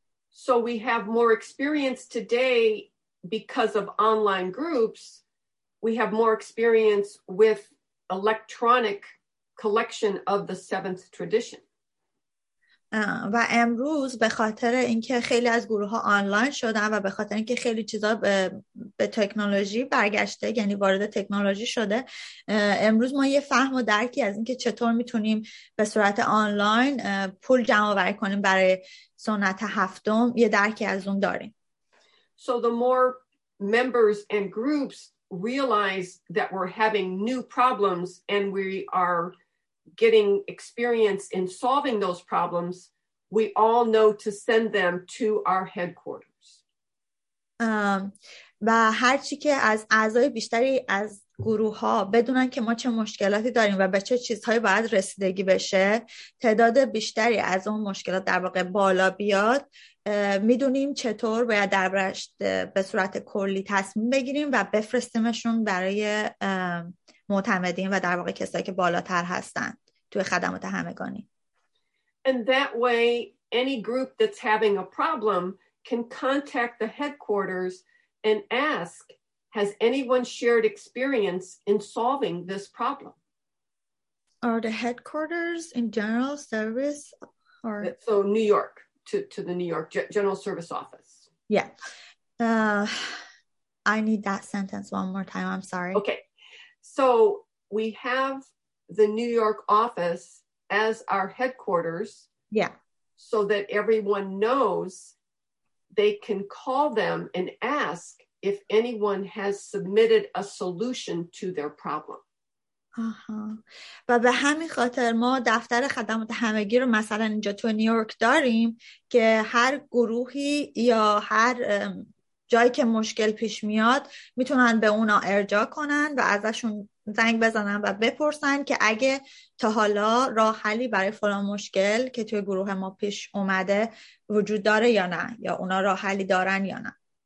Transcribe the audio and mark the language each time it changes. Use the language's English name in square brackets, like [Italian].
[English] So we have more experience today because of online groups. We have more experience with electronic collection of the seventh tradition. [Persian] و امروز به خاطر اینکه خیلی از گروه‌ها آنلاین شدن و به خاطر اینکه خیلی چیزا به تکنولوژی برگشته یعنی وارد تکنولوژی شده امروز ما یه فهم و درکی از اینکه چطور میتونیم به صورت آنلاین پول جمع‌آوری کنیم برای سنت هفتم یه درکی از اون داریم. [English] So the more members and groups realize that we're having new problems and we are getting experience in solving those problems, we all know to send them to our headquarters. [Persian] و هر چی که از اعضای بیشتری از گروه ها بدونن که ما چه مشکلاتی داریم و به چه چیزهایی باید رسیدگی بشه تعداد بیشتری از اون مشکلات در واقع بالا بیاد میدونیم چطور باید در برش به صورت کلی تصمیم بگیریم و بفرستیمشون برای معتمدین و در واقع کسایی که بالاتر هستن توی خدمات همگانی. [English] And that way any group that's having a problem can contact the headquarters and ask, has anyone shared experience in solving this problem? Are the headquarters in general service or so New York to the New York General Service Office? Yeah. I need that sentence one more time. I'm sorry. Okay. So we have the New York office as our headquarters. Yeah. So that everyone knows they can call them and ask if anyone has submitted a solution to their problem. [Persian] و به همین خاطر ما دفتر خدمات همگی رو مثلا اینجا تو نیویورک داریم که هر گروهی یا هر جایی که مشکل پیش میاد میتونن به اونا ارجاع کنن و ازشون زنگ بزنن و بپرسن که اگه تا حالا راه حلی برای فلان مشکل که توی گروه ما پیش اومده وجود داره یا نه یا اونا راه حلی دارن یا نه.